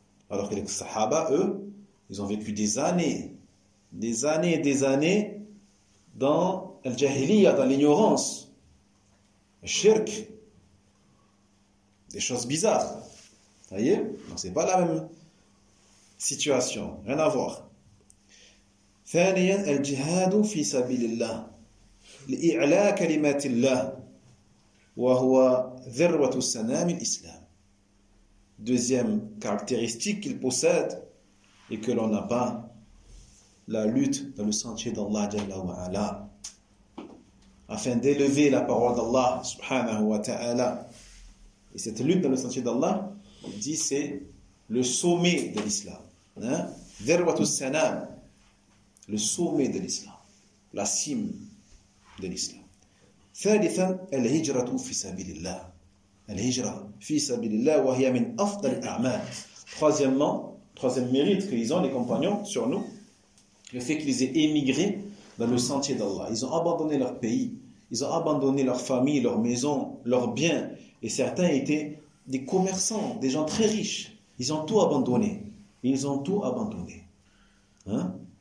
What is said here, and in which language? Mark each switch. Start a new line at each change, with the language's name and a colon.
French: Alors que les sahaba, eux, ils ont vécu des années, des années et des années dans al-jahiliya, dans l'ignorance, le shirk, des choses bizarres. Vous voyez ? Donc ce n'est pas la même situation, rien à voir.
Arabic: ثانيا الجهاد في سبيل الله لإعلاء كلمات الله وهو ذروة سنام الإسلام.
French: Deuxième caractéristique qu'il possède et que l'on n'a pas, la lutte dans le sentier d'Allah Jalla wa Ala, afin d'élever la parole d'Allah Subhanahu wa Ta'ala. Et cette lutte dans le sentier d'Allah, il dit, c'est le sommet de l'islam.
Arabic: ذروة سنام,
French: le sommet de l'islam, la cime de l'islam.
Arabic: ثالثا الهجرة في سبيل الله. الهجرة في سبيل الله وهي من أفضل الأعمال.
French: Troisièmement, troisième mérite qu'ils ont, les compagnons, sur nous, le fait qu'ils aient émigré dans le sentier d'Allah. Ils ont abandonné leur pays, ils ont abandonné leur famille, leur maison, leurs biens, et certains étaient des commerçants, des gens très riches. Ils ont tout abandonné. Ils ont tout abandonné. Hein?